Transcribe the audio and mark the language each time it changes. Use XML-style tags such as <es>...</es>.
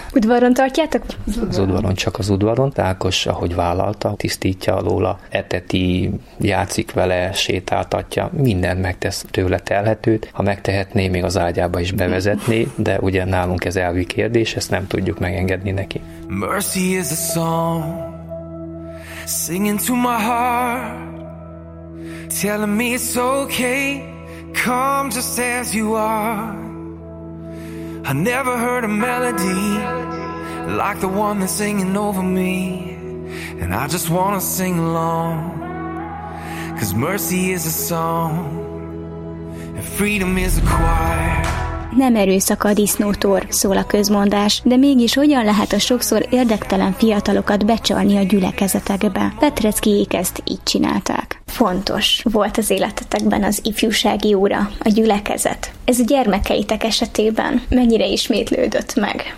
<hu>Udvaron tartjátok? Az udvaron, csak az udvaron. Ákos, ahogy vállalta, tisztítja alóla, eteti, játszik vele, sétáltatja, mindent megtesz tőle telhetőt. Ha megtehetné, még az ágyába is bevezetné, de ugye nálunk ez elvi kérdés, ezt nem tudjuk megengedni neki.</hu> <en>Mercy is a song singing to my heart, telling me it's okay, come just as you are. I never heard a melody like the one that's singing over me, and I just wanna sing along, 'cause mercy is a song and freedom is a choir.</en> <hu>Nem erőszak a disznótor, szól a közmondás, de mégis hogyan lehet a sokszor érdektelen fiatalokat becsalni a gyülekezetekbe? Petreckijék ezt így csinálták. Fontos volt az életetekben az ifjúsági óra, a gyülekezet. Ez a gyermekeitek esetében mennyire ismétlődött meg?</hu>